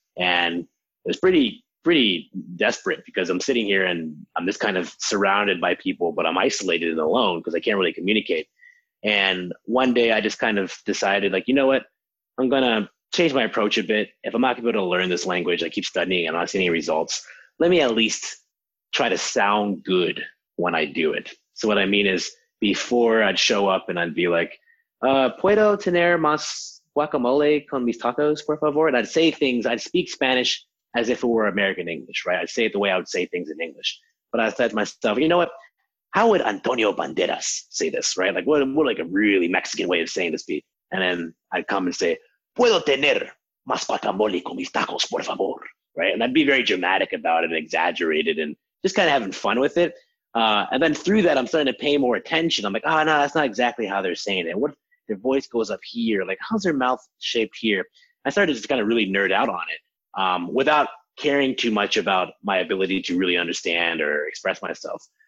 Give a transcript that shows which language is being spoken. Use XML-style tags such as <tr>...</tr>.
<en>And it was pretty desperate because I'm sitting here and I'm just kind of surrounded by people, but I'm isolated and alone because I can't really communicate. And one day I just kind of decided, like, you know what? I'm going to change my approach a bit. If I'm not going to be able to learn this language, I keep studying and I'm not seeing any results, let me at least try to sound good when I do it. So what I mean is, before I'd show up and I'd be like,</en> <es>¿puedo tener más guacamole con mis tacos, por favor?</es> <en>And I'd say things, I'd speak Spanish as if it were American English, right? I'd say it the way I would say things in English. But I said to myself, you know what? How would Antonio Banderas say this, right? Like, what like a really Mexican way of saying this be? And then I'd come and say,</en> <es>¿puedo tener más guacamole con mis tacos, por favor?</es> <en>Right? And I'd be very dramatic about it and exaggerated and just kind of having fun with it. And then through that, I'm starting to pay more attention. I'm like, oh, no, that's not exactly how they're saying it. What if their voice goes up here? Like, how's their mouth shaped here? I started to just kind of really nerd out on it without caring too much about my ability to really understand or express myself.</en>